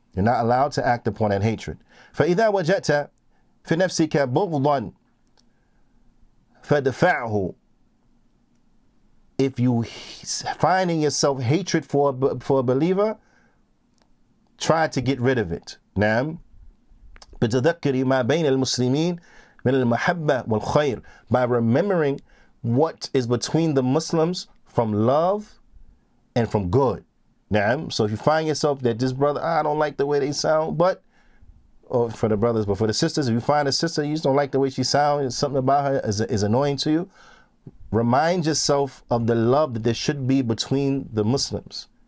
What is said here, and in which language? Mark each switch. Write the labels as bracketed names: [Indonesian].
[English] You're not allowed to act upon that hatred. [Arabic] فَإِذَا وَجَدْتَ فِي نَفْسِكَ بُغْضًا فَدَفَعْهُ. [English] If you find in yourself hatred for a believer, try to get rid of it. [Arabic] نعم. بتذكري ما بين المسلمين من المحبة والخير. [English] By remembering what is between the Muslims from love and from good. [Arabic] نعم. [English] So if you find yourself that this brother, I don't like the way they sound, but or for the brothers, but for the sisters, if you find a sister, you just don't like the way she sounds, something about her is annoying to you, remind yourself of the love that there should be between the Muslims.